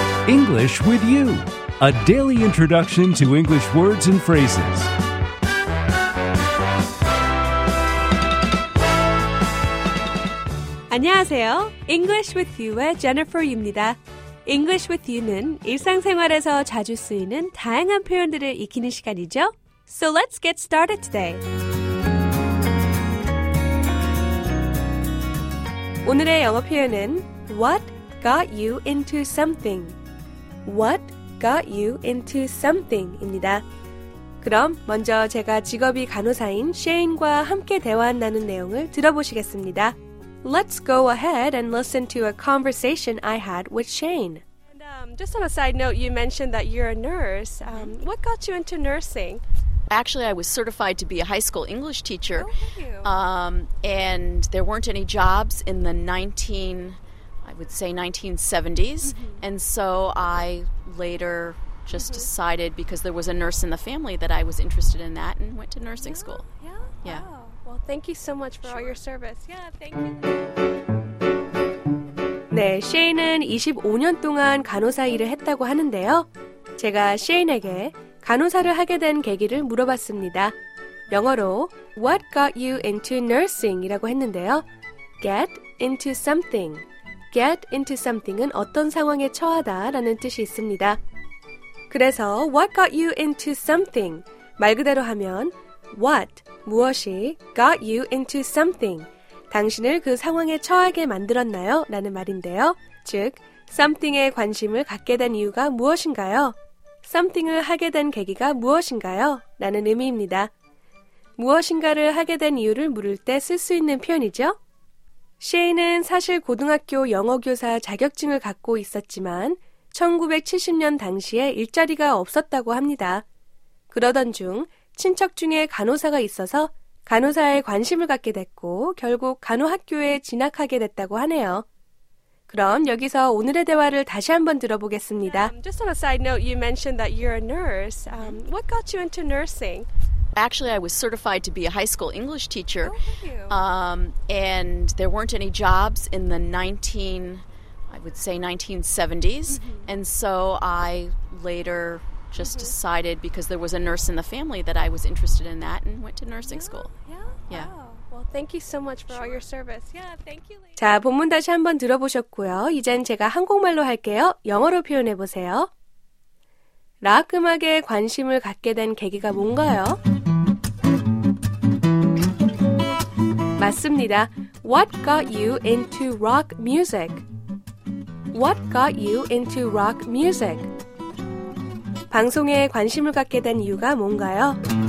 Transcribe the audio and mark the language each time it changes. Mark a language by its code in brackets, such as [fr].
[en] English with you, a daily introduction to English words and phrases. [ko] English with you의 Jennifer입니다. English with you는 일상생활에서 자주 쓰이는 다양한 표현들을 익히는 시간이죠. [en] So let's get started today. [ko] 오늘의 영어 표현은 [en] What got you into something? What got you into something?입니다. [ko] 그럼 먼저 제가 직업이 간호사인 셰인과 함께 대화 나눈 내용을 들어보시겠습니다. [en] Let's go ahead and listen to a conversation I had with Shane. And, just on a side note, you mentioned that you're a nurse. What got you into nursing? Actually, I was certified to be a high school English teacher. Oh, thank you. And there weren't any jobs in the 1970s. Mm-hmm. And so I later just mm-hmm. decided, because there was a nurse in the family, that I was interested in that and went to nursing yeah, school. Yeah? Yeah. Oh. Well, thank you so much for sure. all your service. Yeah, thank you. [ko] 네, 셰인은 25년 동안 간호사 일을 했다고 하는데요. 제가 셰인에게 간호사를 하게 된 계기를 물어봤습니다. 영어로 [en] What got you into nursing? [ko] 이라고 했는데요. [en] Get into something. [ko] Get into something은 어떤 상황에 처하다 라는 뜻이 있습니다. 그래서 [en] What got you into something? [ko] 말 그대로 하면 [en] What, [ko] 무엇이 [en] got you into something? [ko] 당신을 그 상황에 처하게 만들었나요? 라는 말인데요. 즉, something에 관심을 갖게 된 이유가 무엇인가요? something을 하게 된 계기가 무엇인가요? 라는 의미입니다. 무엇인가를 하게 된 이유를 물을 때 쓸 수 있는 표현이죠. 셰인은 사실 고등학교 영어교사 자격증을 갖고 있었지만 1970년 당시에 일자리가 없었다고 합니다. 그러던 중 친척 중에 간호사가 있어서 간호사에 관심을 갖게 됐고 결국 간호학교에 진학하게 됐다고 하네요. 그럼 여기서 오늘의 대화를 다시 한번 들어보겠습니다. [en] Just on a side note, you mentioned that you're a nurse. What got you into nursing? Actually, I was certified to be a high school English teacher. Oh, thank you. And there weren't any jobs in the 1970s. Mm-hmm. And so I later just mm-hmm. decided, because there was a nurse in the family, that I was interested in that and went to nursing yeah, school. Yeah? Yeah. Wow. Well, thank you so much for sure. all your service. Yeah, thank you, lady. [ko] 자, 본문 다시 한번 들어보셨고요. 이젠 제가 한국말로 할게요. 영어로 표현해보세요. 락 음악에 관심을 갖게 된 계기가 뭔가요? 맞습니다. [en] What got you into rock music? What got you into rock music? [ko] 방송에 관심을 갖게 된 이유가 뭔가요?